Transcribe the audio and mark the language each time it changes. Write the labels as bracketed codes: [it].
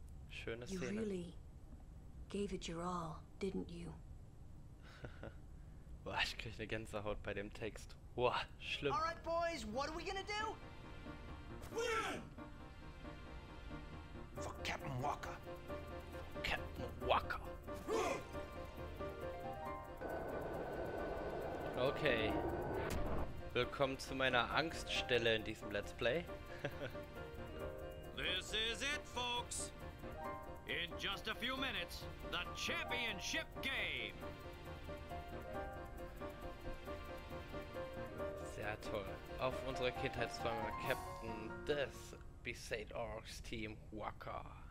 [de] Schöne Szene. [en] You really gave it your all, didn't you? [de] Boah, ich krieg eine Gänsehaut bei dem Text. Boah, schlimm. [en] All right, boys, what are we gonna do? Win! For Captain Walker. Captain Walker. Okay. [de] Willkommen zu meiner Angststelle in diesem Let's Play. [en] This is it, folks. In just a few minutes, the championship game. [de] Sehr toll. Auf unsere Kindheitsträume, Captain des Besaid Orks Team Waka.